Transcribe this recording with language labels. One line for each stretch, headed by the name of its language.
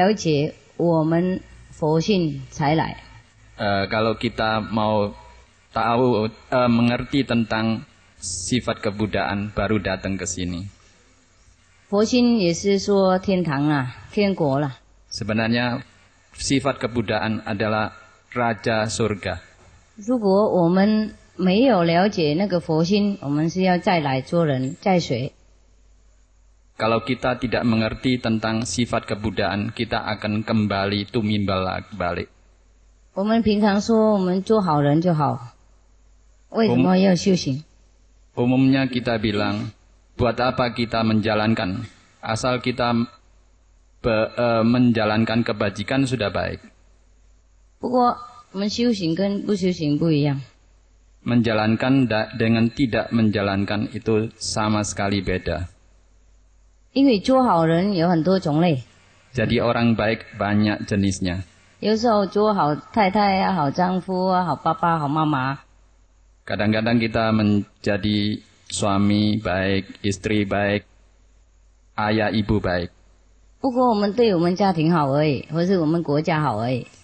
Chinese: 好，我们人啊，为了要了解我们佛性才来。
Indonesian: Kalau kita mau tahu, mengerti tentang sifat kebudaan baru datang ke sini.
Chinese: 佛心也是说天堂啊，天国啦。
Indonesian: Sebenarnya sifat kebudaan adalah raja surga.
Chinese: 如果我们没有了解那个佛心，我们是要再来做人，再学。
Indonesian: Kalau kita tidak mengerti tentang sifat kebuddhaan, kita akan kembali tumimbal balik.
Chinese: 我们平常说我们做好人就好，为什么要修行？
Indonesian: Umumnya kita bilang, buat apa kita menjalankan? Asal kita menjalankan kebajikan sudah baik.
Chinese: 不过我们修行跟不修行不一样。
Indonesian: Menjalankan dengan tidak menjalankan itu sama sekali beda.
Chinese: 因为做好人有很多种类。
Indonesian: Jadi orang baik banyak jenisnya.
Chinese: 有时候做好太太啊，好丈夫啊，好爸爸，好妈妈。
Indonesian: Kadang-kadang kita menjadi suami baik, istri baik, ayah ibu baik.
Chinese: 不过我们对我们家庭好而已，或是我们国家好而已。